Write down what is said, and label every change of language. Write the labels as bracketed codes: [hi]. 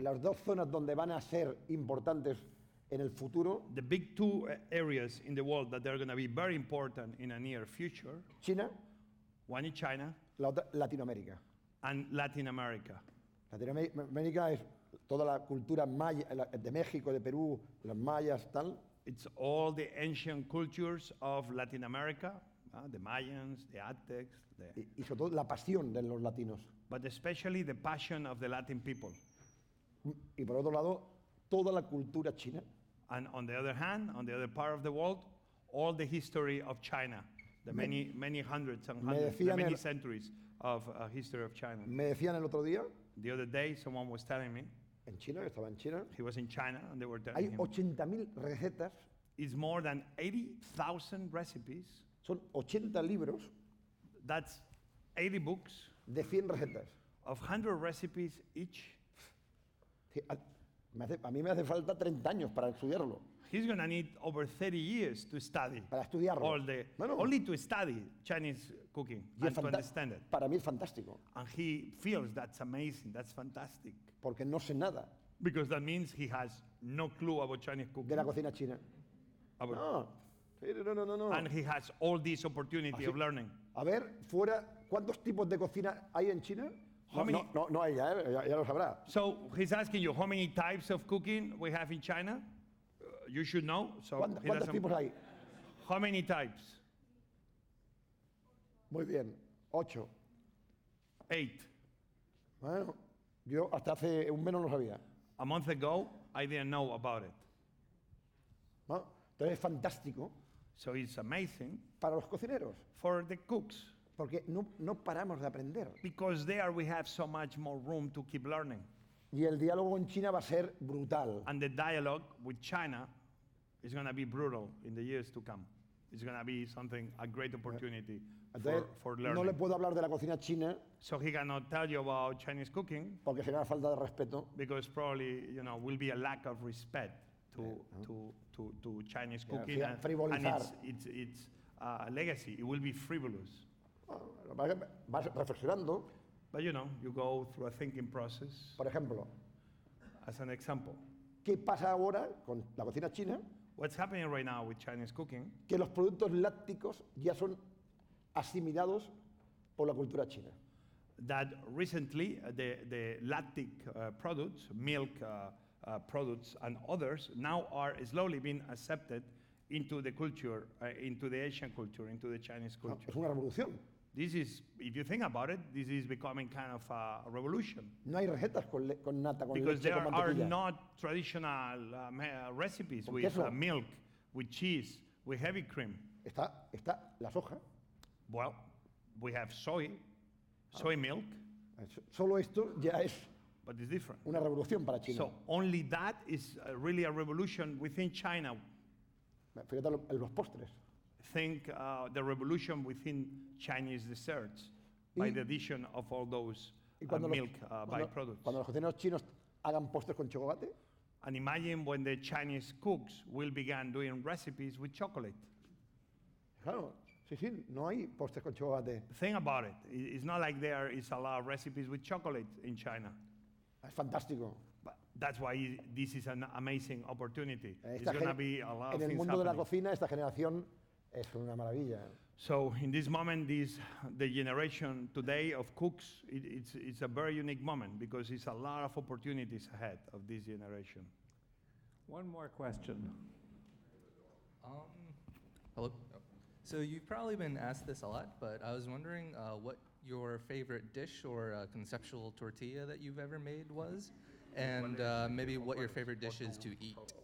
[es] Las dos zonas donde van a ser importantes en el futuro. [en] The big two areas in the world that are going to be very important in the near future. China. One is China. [es] La otra, Latin America. [en] And Latin America. Latin America is [es] toda la cultura maya de México, de Perú, las mayas, tal. [en] It's all the ancient cultures of Latin America, the Mayans, the Aztecs. The... [es] Y sobre todo la pasión de los latinos. [en] But especially the passion of the Latin people. [es] Y por otro lado, toda la cultura china. [en] And on the other hand, on the other part of the world, all the history of China, the many hundreds and hundreds, centuries of history of China. [es] Me decían el otro día. [en] The other day, someone was telling me. [es] En China, estaba en China. [en] He was in China, and they were telling [es] Hay 80,000 recetas. [en] It's more than 80,000 recipes. [es] Son 80 libros. [en] That's 80 books. [es] De 100 recetas. [en] Of 100 recipes each. [es] Sí, a mí me hace falta 30 años para estudiarlo. [en] He's going to need over 30 years to study. [es] Para estudiarlo. [en] All the, no. Only to study Chinese cooking y and to understand it. [es] Para mí es fantástico. [en] And he feels that's amazing, that's fantastic. [es] Porque no sé nada. [en] Because that means he has no clue about Chinese cooking. [es] De la cocina china. No. [en] And he has all this opportunity of learning. [es] A ver, fuera, ¿cuántos tipos de cocina hay en China? No, ya lo sabrá. [en] So he's asking you, how many types of cooking we have in China? You should know. So [es] ¿Cuántos tipos hay? [en] How many types? [es] Muy bien, 8. [en] 8. [es] Bueno, yo hasta hace un mes no lo sabía. [en] A month ago, I didn't know about it. [es] Bueno, entonces es fantástico. [en] So it's amazing. [es] Para los cocineros. [en] For the cooks. [es] Porque no paramos de aprender. [en] Because there we have so much more room to keep learning. [es] Y el diálogo con China va a ser brutal. [en] And the dialogue with China is going to be brutal in the years to come. It's going to be something a great opportunity for learning. [es] No le puedo hablar de la cocina china. [en] So he cannot tell you about Chinese cooking. [es] Porque será falta de respeto. [en] Because probably, you know, will be a lack of respect to Chinese cooking and its legacy. It will be frivolous. [es] Vas reflexionando. [en] But you know, you go through a thinking process. [es] Por ejemplo, [en] as an example, [es] ¿qué pasa ahora con la cocina china? [en] What's happening right now with Chinese cooking? [es] Que los productos lácticos ya son asimilados por la cultura china. [en] That recently the lactic products, milk products and others now are slowly being accepted into the culture, into the Asian culture, into the Chinese culture. [es] Es una revolución. [en] This is, if you think about it, this is becoming kind of a revolution. [es] No hay recetas con con nata, con [en] because [es] leche, [en] there [es] con mantequilla. [en] Are not traditional recipes with milk, with cheese, with heavy cream. [es] Está la soja. [en] Well, we have soy milk. [es] Solo esto ya es [en] but it's different. [es] Una revolución para China. [en] So only that is really a revolution within China. [es] Fíjate en los postres. [en] Think the revolution within Chinese desserts by the addition of all those milk byproducts. [es] Cuando los cocineros chinos hagan postres con chocolate. [en] And imagine when the Chinese cooks will begin doing recipes with chocolate. [es] Claro, sí, no hay postres con chocolate. [en] Think about it. It's not like there is a lot of recipes with chocolate in China. [es] Es fantástico. [en] That's why this is an amazing opportunity. [es] Esta [en] it's going to be a lot of things happening. [es] En el mundo de la cocina, esta generación es una maravilla. [en] So in this moment, the generation today of cooks, it's a very unique moment because it's a lot of opportunities ahead of this generation. One more question. Hello. So you've probably been asked this a lot, but I was wondering what your favorite dish or conceptual tortilla that you've ever made was, and maybe what your favorite dish is to eat.